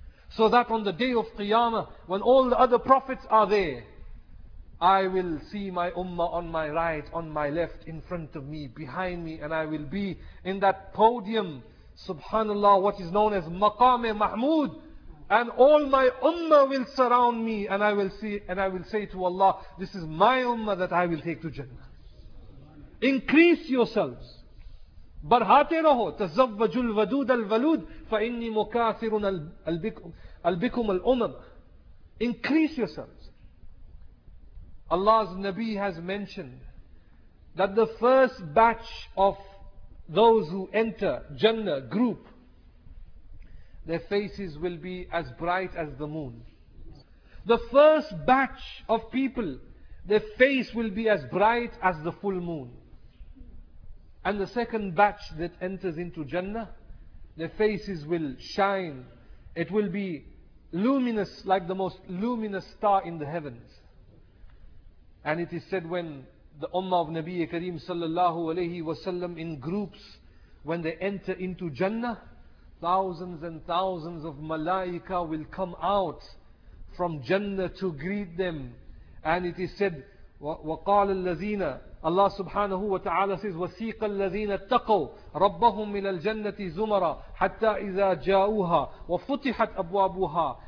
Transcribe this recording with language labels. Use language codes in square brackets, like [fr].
[en] So that on the day of Qiyamah, when all the other prophets are there, I will see my ummah on my right, on my left, in front of me, behind me, and I will be in that podium, subhanallah, what is known as Maqam-e Mahmood, and all my ummah will surround me, and I will see, and I will say to Allah, this is my ummah that I will take to Jannah. Increase yourselves. [ur] برهاتے رہو [ar] تزوج الودود الولود فإني مكاثر البكم الأمم. [en] Increase yourselves. Allah's Nabi has mentioned that the first batch of those who enter Jannah group, their faces will be as bright as the moon. The first batch of people, their face will be as bright as the full moon. And the second batch that enters into Jannah, their faces will shine. It will be luminous like the most luminous star in the heavens. And it is said when the Ummah of Nabi Kareem sallallahu alayhi wasallam in groups, when they enter into Jannah, thousands and thousands of malaika will come out from Jannah to greet them. [ar] And it is said, وَقَالَ الَّذِينَ [en] Allah subhanahu wa ta'ala says, [ar] وَسِيقَ الَّذِينَ اتَّقَوْا رَبَّهُمْ مِنَ الْجَنَّةِ زُمَرًا حَتَّى إِذَا جَاءُوهَا وَفُتِحَتْ أَبْوَابُهَا.